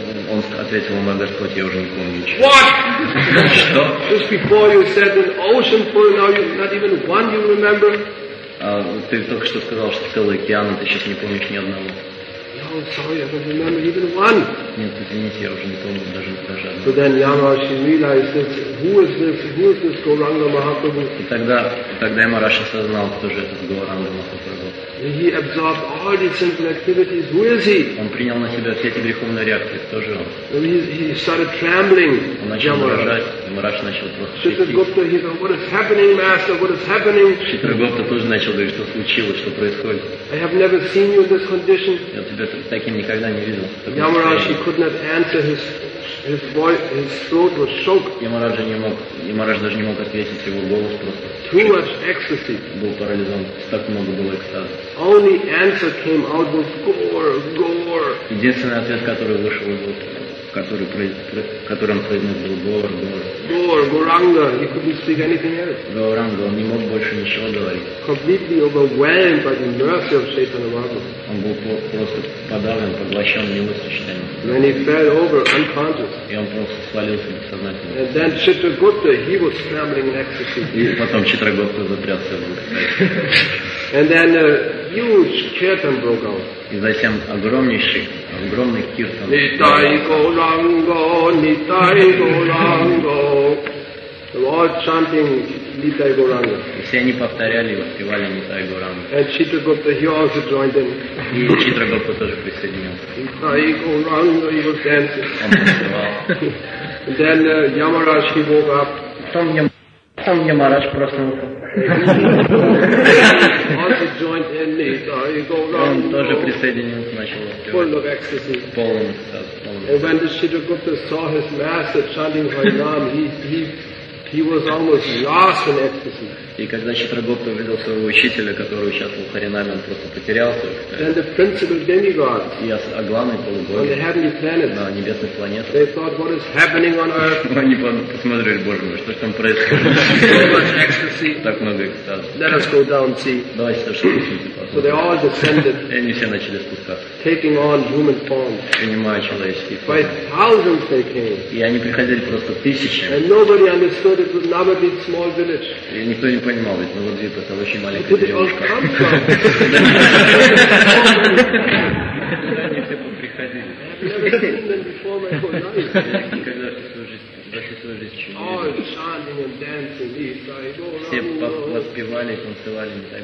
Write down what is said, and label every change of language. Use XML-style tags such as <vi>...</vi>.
<ru>Он ответил, мой Господь, я уже не помню ничего.</ru> <en>What?</en> <ru>Что?</ru> <en>Just before you said an ocean full, now you, not even one you remember.</en> <ru>Ты только что сказал, что целый океан, ты сейчас не помнишь ни одного. Нет, извините, я уже не помню даже одного.</ru> <en>So then Yamaraja realized, who is this Gauranga Mahaprabhu?</en> <ru>Тогда Yamaraja осознал, кто же этот Гауранга Махапрабху.</ru> <en>He absorbed all these sinful activities. Who is he?</en> <ru>Он принял на себя все эти греховные реакции. Кто же он?</ru> <en>He started trembling.</en> <ru>Он начал дрожать. Мараш начал просто.</ru> <en>What is happening, Master? What is happening?</en> <ru>Читра-гупта тоже начал говорить, что случилось, что происходит.</ru> <en>I have never seen you in this condition.</en> <ru>Я тебя таким никогда не видел.</ru> <en>Yamaraj, he could not answer his. His voice, his throat was choked.</en> <ru>Yamaraj даже не мог ответить, его голос просто.</ru> <en>Too much ecstasy.</en> <ru>Был парализован. Так много было экстаза.</ru> <en>Only answer came out was gore, gore.</en> <ru>Единственный ответ, который вышел из рта, который он произнес, был gore, gore.</ru> <en>Gore, Gauranga. He couldn't speak anything else.</en> <ru>Gauranga, он не мог больше ничего говорить.</ru> <en>Completely overwhelmed by the mercy of Chaitanya Mahaprabhu.</en> <ru>Он был просто подавлен, поглощен милостью Чайтаньи.</ru> <en>When he fell over unconscious.</en> <ru>И он просто свалился бессознательно.</ru> <en>And then Chitragupta, he was scrambling next to him.</en> <ru>И потом Читрагупта затрясся в руках.</ru> <en>And then a huge kirtan broke out.</en> <ru>И затем огромный киртан.</ru> <sa>Нитай Гауранга, Нитай Гауранга.</sa> <en>They were all chanting Нитай Гауранга.</en> <ru>И все они повторяли и воспевали Нитай Гауранга.</ru> <en>And Chitragupta, he also joined in.</en> <ru>И Читрагупта тоже присоединился.</ru> <en>Нитай Гауранга, he was dancing.</en> <ru>Он танцевал.</ru> <en>Then Yamaraj, he woke up.</en> <ru>Там Yamaraj проснулся.</ru> <en>Also joined in Nitai Gauranga.</en> <ru>Он тоже присоединился, начал воспевать.</ru> <en>Full of ecstasy.</en> <ru>Полный экстаз.</ru> <en>And when the Chitragupta saw his master chanting Hari Nam, he was almost lost in ecstasy.</en> <ru>И когда Читрагупта увидел своего учителя, который участвовал в Харинаме, он просто потерялся.</ru> <en>And the principal demigod.</en> <ru>А главный полубог.</ru> <en>On the heavenly planet.</en> <ru>На небесных планетах.</ru> <en>They thought, what is happening on earth?</en> <ru>Они посмотрели, боже мой, что там происходит? Так много экстаза.</ru> <en>Let us go down and see.</en> <ru>Давайте тоже спустимся.</ru> <en>So they all descended.</en> <ru>И они все начали спускаться.</ru> <en>Taking on human forms.</en> <ru>Принимая человеческие формы.</ru> <en>By thousands they came.</en> <ru>И они приходили просто тысячами.</ru> <en>And nobody understood it was Navadvip small village.</en> <ru>Не понимал, ведь на Лодзи это очень маленькая девушка. Они все приходили. Никогда за всю свою жизнь чувствовали. Все воспевали и танцевали на Тай</ru>